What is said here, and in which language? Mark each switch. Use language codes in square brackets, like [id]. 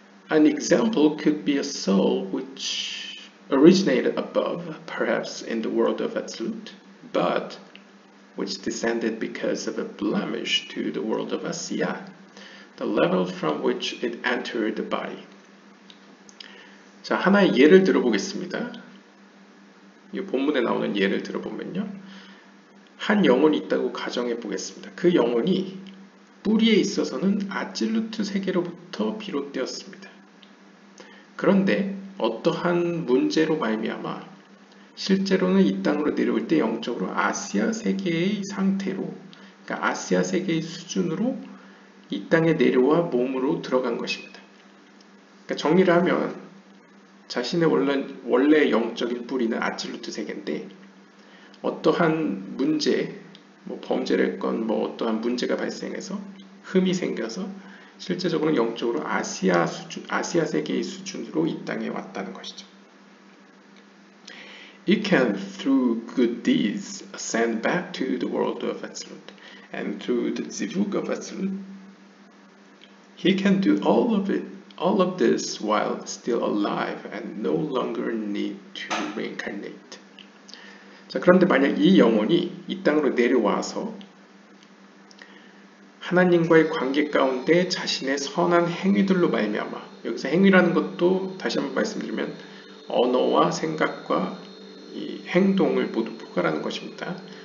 [en] An example could be a soul which originated above, perhaps in the world of Atzilut, but which descended because of a blemish to the world of Asiya. The level from which it entered the body. [ko] 자, 하나의 예를 들어보겠습니다. 이 본문에 나오는 예를 들어보면요. 한 영혼이 있다고 가정해 보겠습니다. 그 영혼이 뿌리에 있어서는 아질루트 세계로부터 비롯되었습니다. 그런데 어떠한 문제로 말미암아 실제로는 이 땅으로 내려올 때 영적으로 아시아 세계의 상태로, 그러니까 아시아 세계의 수준으로 이 땅에 내려와 몸으로 들어간 것입니다. 그러니까 정리를 하면 자신의 원래 영적인 뿌리는 아질루트 세계인데 어떠한 문제, 뭐 범죄를 건 뭐 어떠한 문제가 발생해서 흠이 생겨서 실제적으로 영적으로 아시아 세계의 수준으로 이 땅에 왔다는 것이죠. [en] You can through good deeds ascend back to the world of Atzilut and through the Zivug of Atzilut. He can do all of this while still alive and no longer need to reincarnate. [ko] 자, 그런데 만약 이 영혼이 이 땅으로 내려와서 하나님과의 관계 가운데 자신의 선한 행위들로 말미암아, 여기서 행위라는 것도 다시 한번 말씀드리면 언어와 생각과 이 행동을 모두 포괄하는 것입니다.